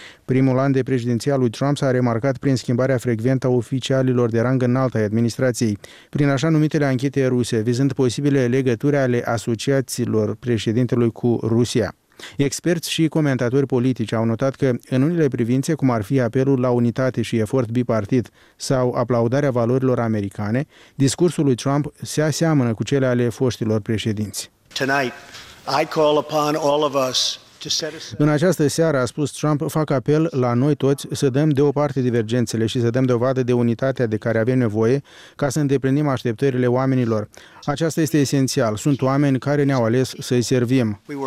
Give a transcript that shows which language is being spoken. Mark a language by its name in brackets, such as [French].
[Romanian] Primul an de președinția lui Trump s-a remarcat prin schimbarea frecventă a oficialilor de rang înalt ai administrației, prin așa numitele anchete ruse, vizând posibile legături ale asociațiilor președintelui cu Rusia. Experți și comentatori politici au notat că, în unele privințe, cum ar fi apelul la unitate și efort bipartit sau aplaudarea valorilor americane, discursul lui Trump se aseamănă cu cele ale foștilor președinți. [English] Tonight, I call upon all of us. [Romanian] În această seară, a spus Trump, fac apel la noi toți să dăm deoparte divergențele și să dăm dovadă de unitatea de care avem nevoie ca să îndeplinim așteptările oamenilor. Aceasta este esențial. Sunt oameni care ne-au ales să-i servim.